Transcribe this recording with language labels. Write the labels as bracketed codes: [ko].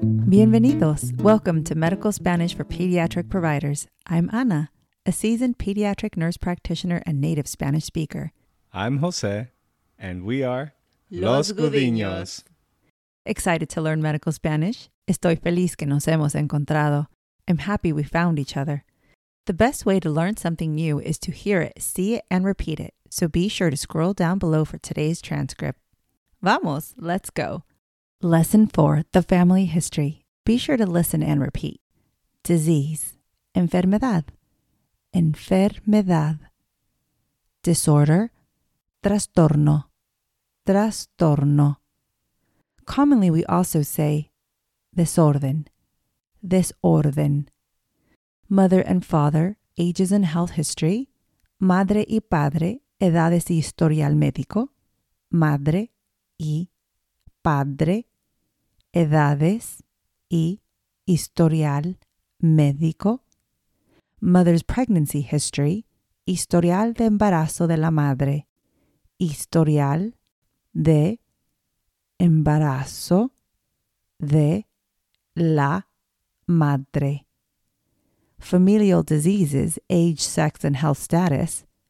[en] Bienvenidos. Welcome to Medical Spanish for Pediatric Providers. I'm Ana, a seasoned pediatric nurse practitioner and native Spanish speaker. I'm Jose, and we are Los Gudiños. Excited to learn medical Spanish? [es] Estoy feliz que nos hemos encontrado. [en] I'm happy we found each other. The best way to learn something new is to hear it, see it, and repeat it. So be sure to scroll down below for today's transcript. Vamos, let's go. Lesson 4, the family history. Be sure to listen and repeat. [es] Disease. Enfermedad. Enfermedad. Disorder. Trastorno. Trastorno. [en] Commonly, we also say desorden, desorden. Mother and father, ages and health history. [es] Madre y padre, edades y historial médico. Madre y padre, edades y historial médico. [en] Mother's pregnancy history. [es] Historial de embarazo de la madre. Historial de embarazo de la madre. [en] Familial diseases, age, sex, and health status.